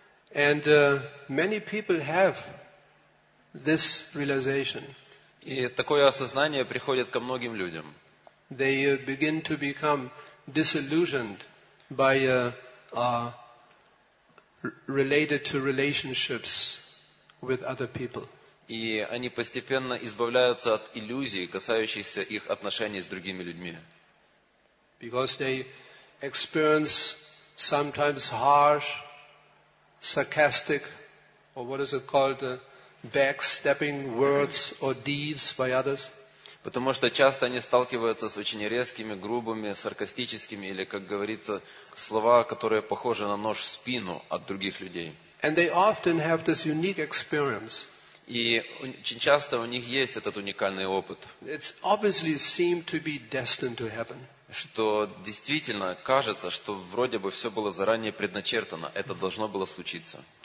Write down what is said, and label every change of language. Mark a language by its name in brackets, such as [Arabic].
[English] And many people have this realization. [Russian] И такое осознание приходит ко многим людям. [English] They begin to become disillusioned by related to relationships with other people. [Russian] И они постепенно избавляются от иллюзий, касающихся их отношений с другими людьми. [English] Because they experience sometimes harsh, sarcastic, or what is it called, backstepping words or deeds by others. [Russian] Потому что часто они сталкиваются с очень резкими, грубыми, саркастическими или, как говорится, слова, которые похожи на нож в спину от других людей. [English] And they often have this unique experience. [Russian] И очень часто у них есть этот уникальный опыт. [English] It's obviously seemed to be destined to happen. [Russian] Что действительно кажется, что вроде бы все было заранее предначертано, это должно было случиться.